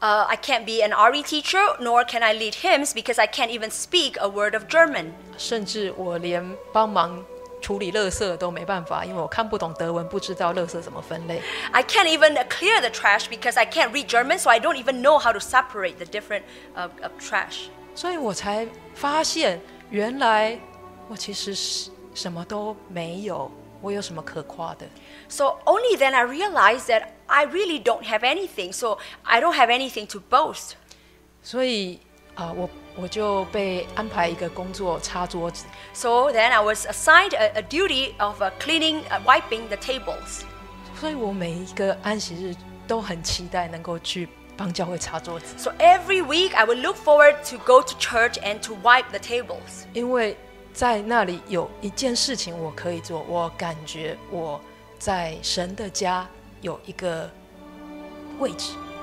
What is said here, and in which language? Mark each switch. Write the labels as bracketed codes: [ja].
[en] I can't be an RE teacher, nor can I lead hymns because I can't even speak a word of German. [zh] 甚至我连帮忙处理垃圾都没办法，因为我看不懂德文，不知道垃圾怎么分类。 [en] I can't even clear the trash because I can't read German, so I don't even know how to separate the different of trash. [zh] 所以我才发现，原来我其实什么都没有，我有什么可夸的。 [en] So only then I realized that I really don't have anything, so I don't have anything to boast. [zh] 所以我就被安排一个工作擦桌子。 [en] So then I was assigned a duty of cleaning, wiping the tables. [zh] 所以我每一个安息日都很期待能够去帮教会擦桌子。 [en] So every week I would look forward to go to church and to wipe the tables. [zh] 因为在那里有一件事情我可以做，我感觉我在神的家有一个位置。